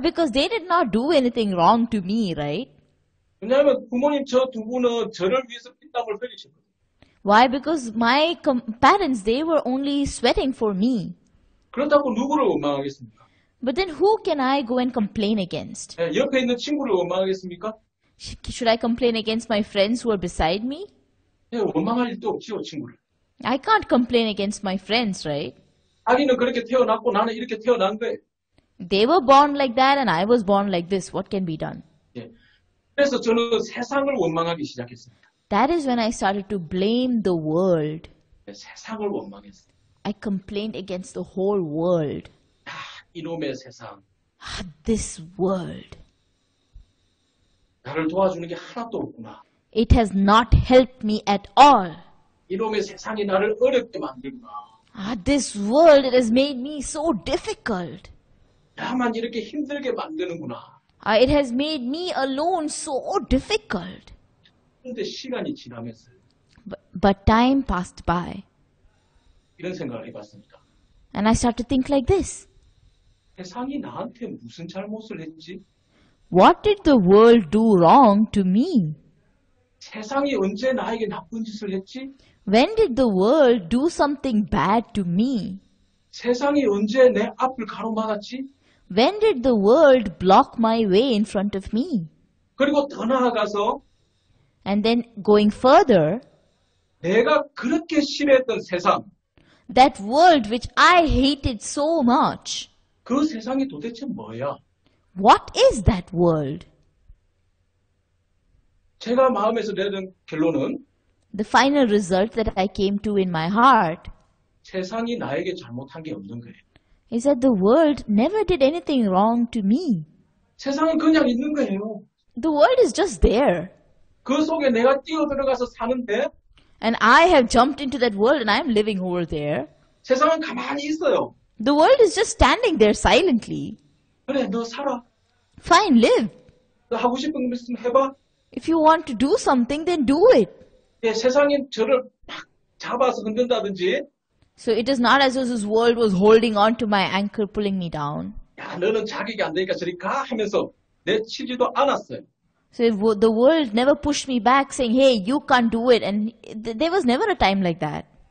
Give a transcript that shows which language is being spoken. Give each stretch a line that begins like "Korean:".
English: Because they did not do anything wrong to me, right?
Korean: 왜냐하면 부모님 저 두 분은 저를 위해서 피땀을 흘리셨거든요.
English: Why? Because my parents, they were only sweating for me.
Korean: 그렇다고 누구를 원망하겠습니까?
English: But then who can I go and complain against?
Korean: 네, 옆에 있는 친구를 원망하겠습니까?
English: Should I complain against my friends who are beside me?
Korean: 네, 원망할 일도 없지요, 친구를.
English: I can't complain against my friends, right?
Korean: 자기는 그렇게 태어났고 나는 이렇게 태어난 거예요.
English: They were born like that and I was born like this. What can be done?
Korean: 네. 그래서 저는 세상을 원망하기 시작했습니다.
English: That is when I started to blame the world.
Korean: 네, 세상을 원망했어요.
English: I complained against the whole world.
Korean: 아, 이놈의 세상.
English: This world.
Korean: 나를 도와주는 게 하나도 없구나.
English: It has not helped me at all.
Korean: 이놈의 세상이 나를 어렵게 만들구나.
English: This world, it has made me so difficult.
Korean: 나만 이렇게 힘들게 만드는구나.
English: It has made me alone so difficult.
Korean: 근데 시간이 지나면서
English: but time passed by
Korean: 이런 생각을 해봤습니다.
English: And I start to think like this.
Korean: 세상이 나한테 무슨 잘못을 했지?
English: What did the world do wrong to me?
Korean: 세상이 언제 나에게 나쁜 짓을 했지?
English: When did the world do something bad to me?
Korean: 세상이 언제 내 앞을 가로막았지?
English: When did the world block my way in front of me?
Korean: 그리고 더 나아가서
English: And then going further,
Korean: 내가 그렇게 싫어했던 세상,
English: that world which I hated so much,
Korean: 그 세상이 도대체 뭐야?
English: What is that world?
Korean: 제가 마음에서 내린 결론은,
English: the final result that I came to in my heart,
Korean: 세상이 나에게 잘못한 게 없는 거예요.
English: Is that the world never did anything wrong to me.
Korean: 세상은 그냥 있는 거예요.
English: The world is just there.
Korean: 그 속에 내가 뛰어들어가서 사는데
English: And I have jumped into that world and I am living over there.
Korean: 세상은 가만히 있어요.
English: The world is just standing there silently.
Korean: 그래, 너 살아.
English: Fine, live.
Korean: 너 하고 싶은 거 있으면 해봐.
English: If you want to do something, then do it.
Korean: 예, 세상이 저를 막 잡아서 흔든다든지
English: So it is not as though this world was holding on to my ankle, pulling me down.
Korean: 야, 너는 자격이 안 되니까 저리 가 하면서 내치지도 않았어요.
English: So the world never pushed me back saying, hey, you can't do it. And there was never a time like that.